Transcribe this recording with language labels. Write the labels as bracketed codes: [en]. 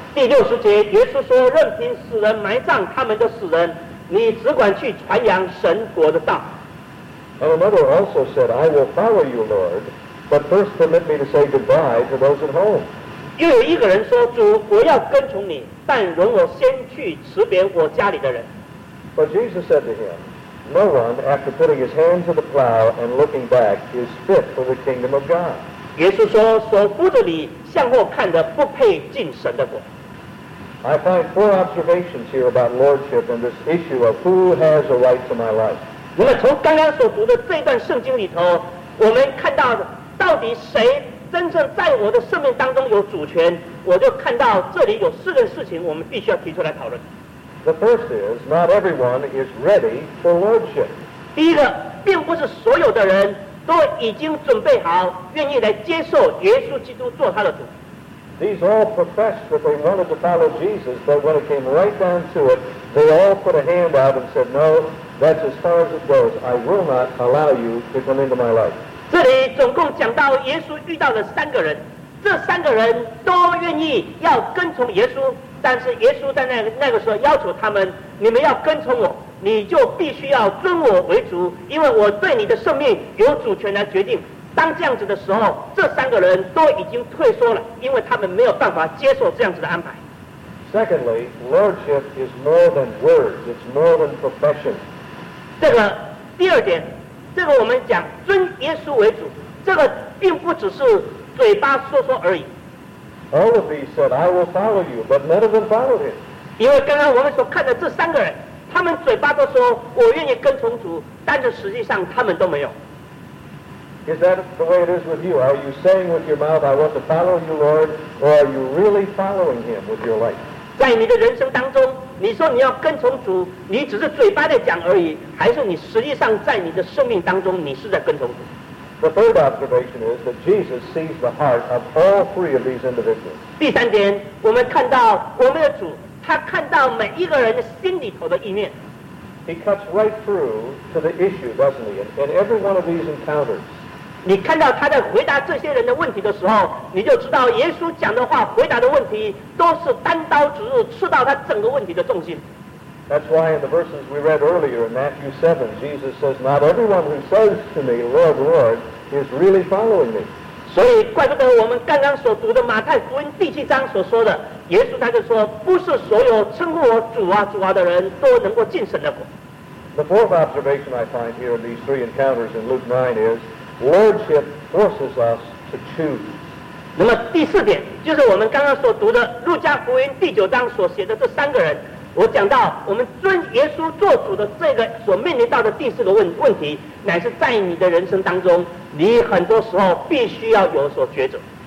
[zh] 第六十节，耶稣说，任凭死人埋葬他们的死人，你只管去传扬神国的道。 [en] And another also said, I will follow you, Lord, but first permit me to say goodbye to those at home. [zh] 又有一个人说，主，我要跟从你，但容我先去辞别我家里的人。 [en] But Jesus said to him, no one, after putting his hand to the plow and looking back, is fit for the kingdom of God. [zh] 耶稣说，所扶着你向后看的，不配进神的国。 [en] I find four observations here about lordship and this issue of who has a right to my life. [zh] 那么从刚刚所读的这段圣经里头，我们看到到底谁真正在我的生命当中有主权，我就看到这里有四个事情我们必须要提出来讨论。 [en] The first is, not everyone is ready for lordship. [zh] 第一个，并不是所有的人都已经准备好愿意来接受耶稣基督做他的主。 [en] These all professed that they wanted to follow Jesus, but when it came right down to it, they all put a hand out and said, no,That's as far as it goes. I will not allow you to come into my life. [zh] 这里总共讲到耶稣遇到了三个人，这三个人都愿意要跟从耶稣，但是耶稣在那个时候要求他们，你们要跟从我，你就必须要尊我为主，因为我对你的生命有主权来决定。当这样子的时候，这三个人都已经退缩了，因为他们没有办法接受这样子的安排。 [en] Secondly, lordship is more than words. It's more than profession. [zh] 这个第二点，这个我们讲尊耶稣为主，这个并不只是嘴巴说说而已。 [en] All of these said, I will follow you, but none of them followed him. [zh] 因为刚刚我们所看的这三个人，他们嘴巴都说我愿意跟从主，但是实际上他们都没有。 [en] Is that the way it is with you? Are you saying with your mouth, I want to follow you, Lord, or are you really following him with your life? [zh] 在你的人生当中，你说你要跟从主，你只是嘴巴在讲而已，还是你实际上在你的生命当中，你是在跟从主？ [en] The third observation is that Jesus sees the heart of all three of these individuals. [zh] 第三点，我们看到我们的主，他看到每一个人的心里头的意念。 [en] He cuts right through to the issue, doesn't he? In every one of these encounters. [zh] 你看到他在回答这些人的问题的时候，你就知道耶稣讲的话、回答的问题都是单刀直入，刺到他整个问题的重心。 [en] That's why in the verses we read earlier in Matthew 7, Jesus says, "Not everyone who says to me, 'Lord, Lord,' is really following me." [zh] 所以怪不得我们刚刚所读的马太福音第七章所说的，耶稣他就说，不是所有称呼我主啊主啊的人都能够进神的国。 [en] The fourth observation I find here in these three encounters in Luke 9 is lordship forces us to choose. [zh] 那么第四点就是我们刚刚所读的路加福音第九章所写的这三个人，我讲到我们尊耶稣做主的这个所面临到的第四个问题，乃是在你的人生当中，你很多时候必须要有所抉择。